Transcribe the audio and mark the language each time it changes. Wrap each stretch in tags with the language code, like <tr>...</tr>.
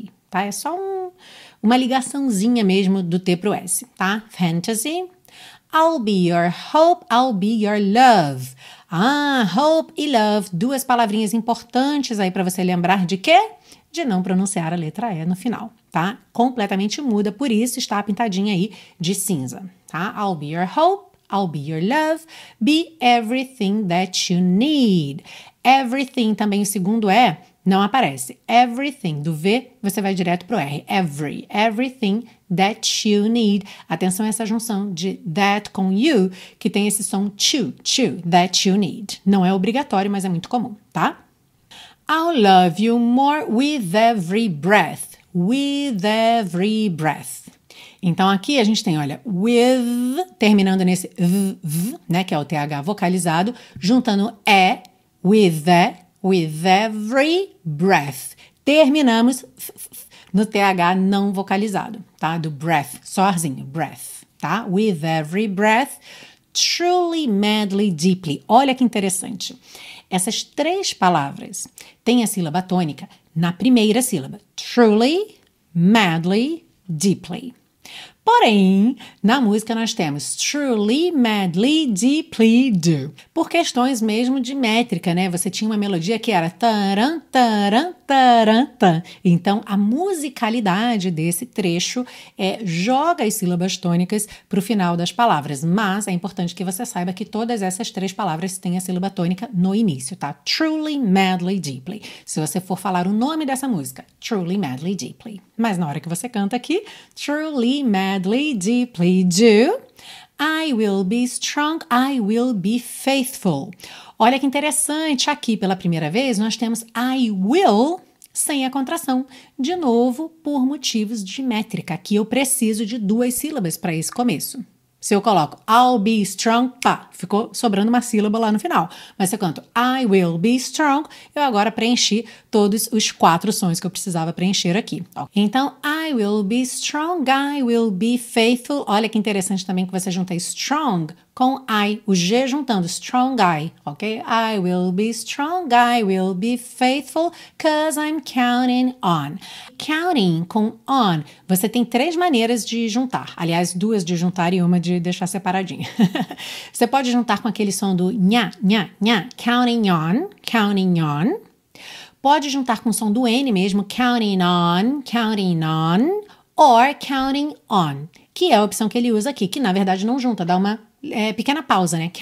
<pt>Tá? É só uma ligaçãozinha mesmo do T pro S, tá?</pt> <en>Fantasy. I'll be your hope, I'll be your love.</en> <pt>Ah, hope e love, duas palavrinhas importantes aí para você lembrar de quê? De não pronunciar a letra E no final, tá? Completamente muda, por isso está pintadinha aí de cinza, tá?</pt> <en>I'll be your hope, I'll be your love, be everything that you need.</en> <pt>Everything também, o segundo E, não aparece. Everything, do V, você vai direto pro R.</pt> <en>Everything that you need.</en> <pt>Atenção a essa junção de that com you, que tem esse som to,</pt> <en>that you need.</en> <pt>Não é obrigatório, mas é muito comum, tá?</pt> <en>I'll love you more with every breath. With every breath.</en> <pt>Então, aqui a gente tem, olha, with, terminando nesse v, né, que é o TH vocalizado, juntando E, with every breath. Terminamos no TH não vocalizado, tá? Do breath, sozinho, breath, tá?</pt> <en>With every breath, truly, madly, deeply.</en> <pt>Olha que interessante. Essas três palavras têm a sílaba tônica na primeira sílaba.</pt> <en>Truly, madly, deeply.</en> <pt>Porém, na música nós temos truly, madly, deeply, do. Por questões mesmo de métrica, né? Você tinha uma melodia que era taran, taran, taran, taran. Então, a musicalidade desse trecho joga as sílabas tônicas para o final das palavras. Mas é importante que você saiba que todas essas três palavras têm a sílaba tônica no início, tá? Truly, madly, deeply. Se você for falar o nome dessa música, truly, madly, deeply. Mas na hora que você canta aqui, truly, madly, deeply do.</pt> <en>I will be strong, I will be faithful.</en> <pt>Olha que interessante, aqui pela primeira vez nós temos I will sem a contração, de novo por motivos de métrica, que eu preciso de duas sílabas para esse começo. Se eu coloco</pt> <en>I'll be strong,</en> <pt>pá, ficou sobrando uma sílaba lá no final. Mas se eu canto</pt> <en>I will be strong,</en> <pt>eu agora preenchi todos os quatro sons que eu precisava preencher aqui. Então, I</pt> <en>will be strong, I will be faithful.</en> <pt>Olha que interessante também que você junta strong com I, o G juntando, strong I, ok?</pt> <en>I will be strong, I will be faithful, 'cause I'm counting on.</en> <pt>Counting com on, você tem três maneiras de juntar. Aliás, duas de juntar e uma de deixar separadinha. Você pode juntar com aquele som do nha, nha, nha, counting on, counting on. Pode juntar com o som do N mesmo, counting on, counting on, or counting on, que é a opção que ele usa aqui, que na verdade não junta, dá uma pequena pausa, né?</pt>